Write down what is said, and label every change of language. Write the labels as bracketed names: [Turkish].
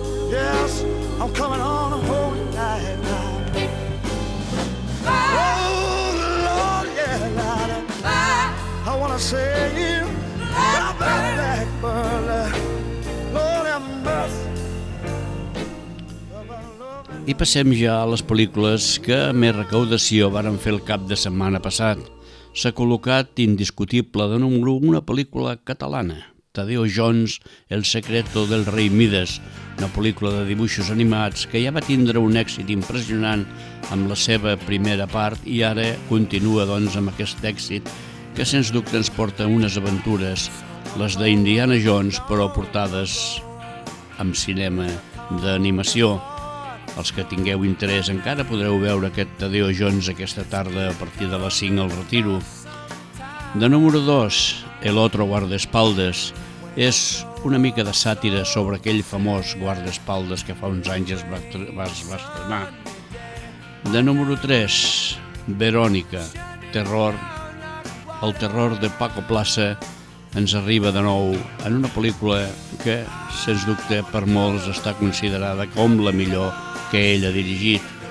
[English] Yes, I'm coming on a holy night now. Bye. Oh, Lord, yeah, Lord. Bye. I want to say you, Blackburn. Blackburn. Lord, have mercy. [Catalan] I passem ja a les pel·lícules que més recaudació varen fer el cap de setmana passat. S'ha col·locat indiscutible de número 1 una pel·lícula catalana, Tadeo Jones, El secreto del rei Midas, una pel·lícula de dibuixos animats que ja va tindre un èxit impressionant amb la seva primera part i ara continua doncs amb aquest èxit que sens dubte ens porta unes aventures, les d'Indiana Jones, però portades amb cinema d'animació. Els que tingueu interès encara podreu veure aquest Tadeo Jones aquesta tarda a partir de les 5 al Retiro. De número 2, El otro guardaespaldes. És una mica de sàtira sobre aquell famós guardaespaldes que fa uns anys es va estrenar. De número 3, Verònica, terror. El terror de Paco Plaza ens arriba de nou en una pel·lícula que, sens dubte, per molts està considerada com la millor que ell ha dirigit.